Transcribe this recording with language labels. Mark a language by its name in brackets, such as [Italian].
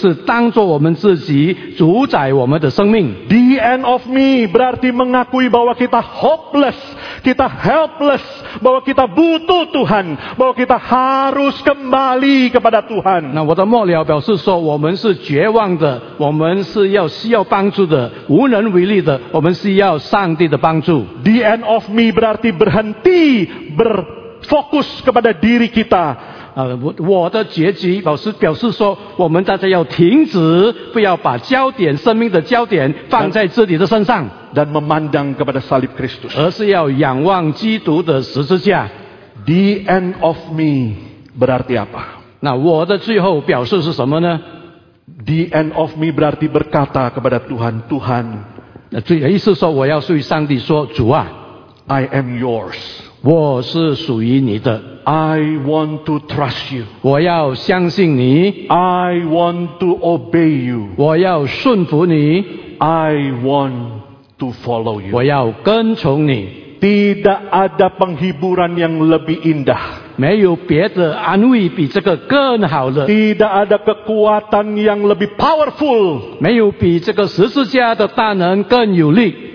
[Chinese] 那我的末了表示说我们不是自己做主人，我们一向来都是当作我们自己主宰我们的生命。 [Indonesian] The end of me berarti mengakui bahwa kita hopeless, kita helpless, bahwa kita butuh Tuhan, bahwa kita harus kembali kepada Tuhan. [Chinese] 那我的末了表示说我们是绝望的，我们是要需要帮助的，无能为力的，我们需要上帝的帮助。 [Indonesian] The end of me berarti berhenti berfokus kepada diri kita. [Chinese] 我的结局表示说我们大家要停止，不要把焦点生命的焦点放在自己的身上。 [Indonesian] Dan memandang kepada salib Kristus. [Chinese] 而是要仰望基督的十字架。 [Indonesian] The end of me berarti apa? [Chinese] 那我的最后表示是什么呢? [Indonesian] The end of me berarti berkata kepada Tuhan, Tuhan. [Chinese] 意思说我要对上帝说，主啊。 [English] I am yours. [Chinese] 我是属于你的。 [English] I want to trust you. [Chinese] 我要相信你。 [English] I want to obey you. [Chinese] 我要顺服你。 [English] I want to follow you. [Chinese] 我要跟从你。 [Indonesian] Tidak ada penghiburan yang lebih indah. [Chinese] 没有别的安慰比这个更好的。 [Indonesian] Tidak ada kekuatan yang lebih powerful. [Chinese] 没有比这个十字架的大能更有力。